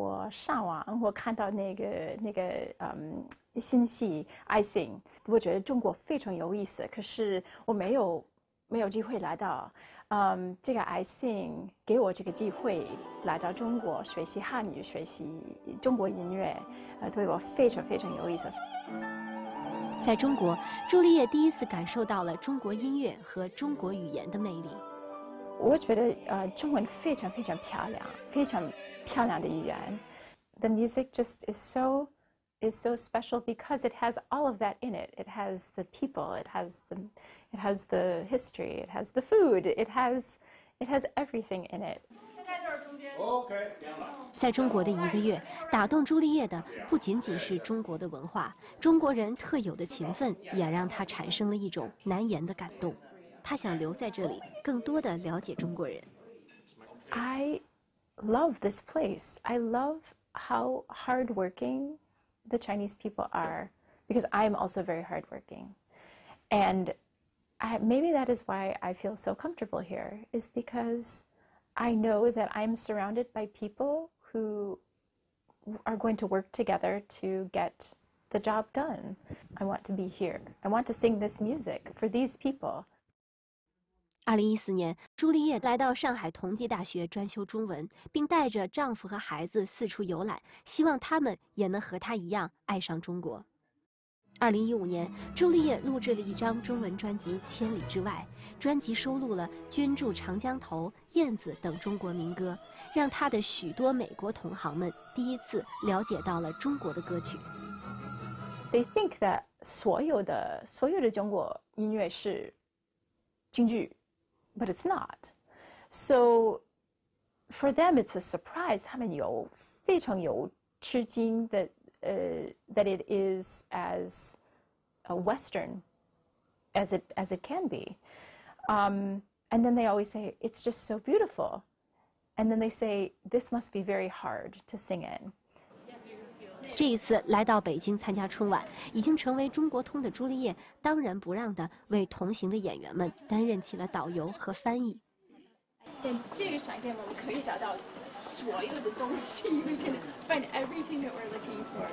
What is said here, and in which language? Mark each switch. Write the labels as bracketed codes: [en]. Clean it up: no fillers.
[zh] 上网，我看到那个信息 ，iSing， 我觉得中国非常有意思。可是我没有机会来到，这个 iSing 给我这个机会来到中国学习汉语，学习中国音乐，对我非常非常有意思。在中国，朱丽叶第一次感受到了中国音乐和中国语言的魅力。我觉得中文非常非常漂亮，非常漂亮的语言。 [en] The music just is so special because it has all of that in it. It has the people, it has the history, it has the food, it has everything in it. [zh] OK， 在中国的一个月，打动朱丽叶的不仅仅是中国的文化，中国人特有的勤奋也让她产生了一种难言的感动。她想留在这里，更多的了解中国人。 [en] I love this place. I love how hardworking the Chinese people are, because I'm also very hardworking. And maybe that is why I feel so comfortable here, is because I know that I'm surrounded by people who are going to work together to get the job done. I want to be here. I want to sing this music for these people. [zh] 2014年，朱丽叶来到上海同济大学专修中文，并带着丈夫和孩子四处游览，希望他们也能和她一样爱上中国。 2015年，朱丽叶录制了一张中文专辑《千里之外》，专辑收录了《君住长江头》《燕子》等中国民歌，让她的许多美国同行们第一次了解到了中国的歌曲。 [en] They think that [zh] 所有的中国音乐是京剧。 [en] But it's not. So for them, it's a surprise. [zh] 他们有非常有吃惊 [en] that it is as a Western as it can be. And then they always say, it's just so beautiful. And then they say, this must be very hard to sing in. [zh] 这一次来到北京参加春晚，已经成为中国通的朱丽叶当仁不让地为同行的演员们担任起了导游和翻译。在这个商店，我们可以找到所有的东西。 [en] We can find everything that we're looking for.